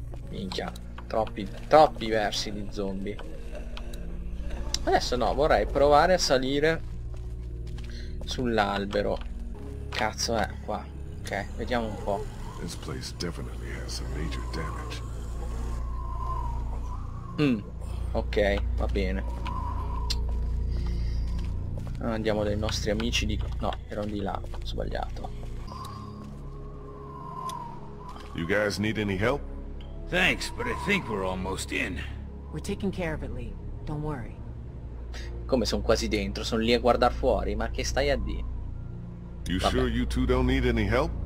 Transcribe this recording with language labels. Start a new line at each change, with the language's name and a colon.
Italian: Minchia, troppi versi di zombie. Adesso no, vorrei provare a salire sull'albero. Cazzo, è qua. Ok, vediamo un po'.
English: This place definitely has some major damage.
Italian: Ok, va bene. Andiamo dai nostri amici di... No, erano di là, ho sbagliato.
English: You guys need any help? Thanks, but I think we're almost in. We're taking care of it, Lee. Don't worry.
Italian: Come, sono quasi dentro, sono lì a guardar fuori, ma che stai a dire?
English: You sure you two don't need any help?